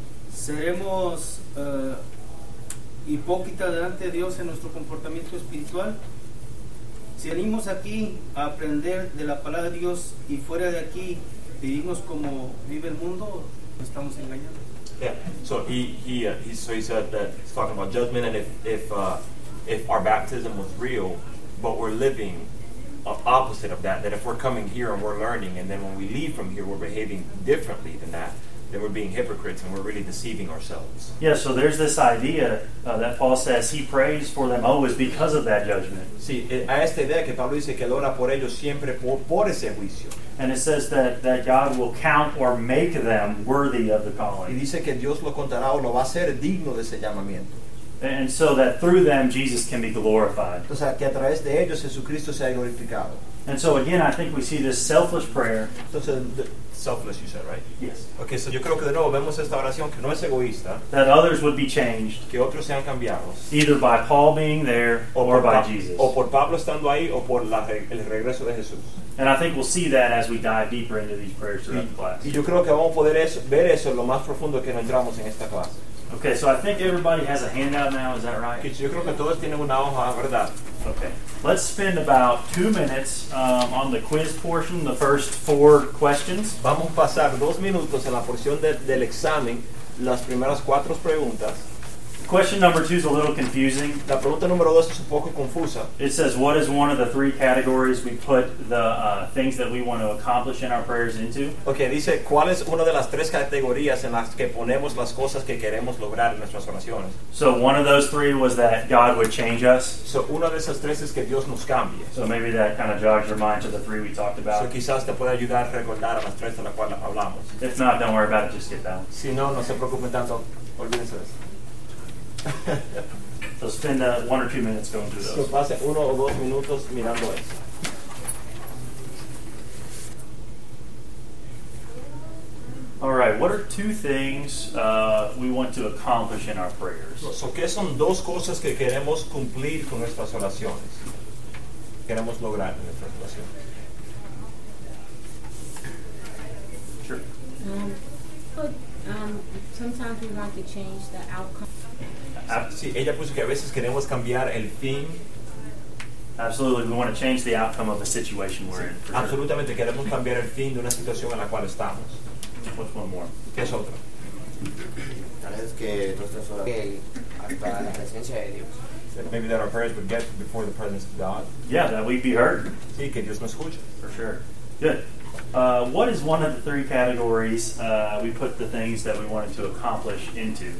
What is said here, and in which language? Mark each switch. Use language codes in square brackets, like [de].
[es] Seremos hipócritas delante de Dios en nuestro comportamiento espiritual. Si venimos aquí a aprender de la palabra de Dios y fuera de aquí vivimos como vive el mundo, estamos engañados. [en] Yeah. So he said that he's talking about judgment, and if our baptism was real, but we're living opposite of that if we're coming here and we're learning, and then when we leave from here, we're behaving differently than that, then we're being hypocrites and we're really deceiving ourselves. Yeah, so there's this idea that Paul says he prays for them always because of that judgment. [es] Sí, a esta idea que Pablo dice que ora por ellos siempre por ese juicio. [en] And it says that God will count or make them worthy of the calling. [es] Y dice que Dios lo contará o lo va a hacer digno de ese llamamiento. [en] And so that through them Jesus can be glorified. [es] O sea, que a través de ellos Jesucristo sea glorificado. [en] And so again, I think we see this selfless prayer. Selfless, you said, right? Yes. Okay, so [es] yo creo que de nuevo vemos esta oración que no es egoísta. [en] That others would be changed. [es] Que otros sean cambiados. [en] Either by Paul being there or by Jesus. [es] O por Pablo estando ahí o por el regreso de Jesús. [en] And I think we'll see that as we dive deeper into these prayers throughout the class. [es] Y yo creo que vamos a poder ver eso lo más profundo que entramos en esta clase. [en] Okay, so I think everybody has a handout now, is that right? [es] Yo creo que todos tienen una hoja, ¿verdad? [en] Okay, let's spend about 2 minutes on the quiz portion, the first 4 questions. [es] Vamos a pasar 2 minutos en la porción del examen, las primeras 4 preguntas. [en] Question number 2 is a little confusing. [es] La pregunta número 2 es un poco confusa. [en] It says, what is one of the 3 categories we put the things that we want to accomplish in our prayers into? [es] Okay, dice, ¿cuál es una de las 3 categorías en las que ponemos las cosas que queremos lograr en nuestras oraciones? [en] So one of those 3 was that God would change us. [es] So una de esas 3 es que Dios nos cambie. [en] So maybe that kind of jogs your mind to the 3 we talked about. [es] So quizás te puede ayudar a recordar a las 3 de las cuales hablamos. [en] If not, don't worry about it, just get that one. [es] Si no, no se preocupen tanto, olvídense de eso. [en] So spend 1 or 2 minutes going through those. [es] So pase 1 o 2 minutos mirando eso. [en] All right, what are 2 things we want to accomplish in our prayers? [es] So ¿qué son 2 cosas que queremos cumplir con nuestras oraciones? Queremos lograr en nuestras oraciones. [en] Sure. Sometimes we want to change the outcome. [es] Sí, ella puso que a veces queremos cambiar el fin. [en] Absolutely, we want to change the outcome of a situation we're in. [es] Absolutamente, queremos cambiar el fin de una situación en la cual estamos. [en] What's one more? [es] ¿Qué es otro? Tal vez que nuestras oraciones hasta la presencia de Dios. [en] Maybe that our prayers would get before the presence of God. Yeah, that we'd be heard. [es] Sí, que Dios nos escuche. [en] For sure. Good. What is one of the 3 categories we put the things that we wanted to accomplish into?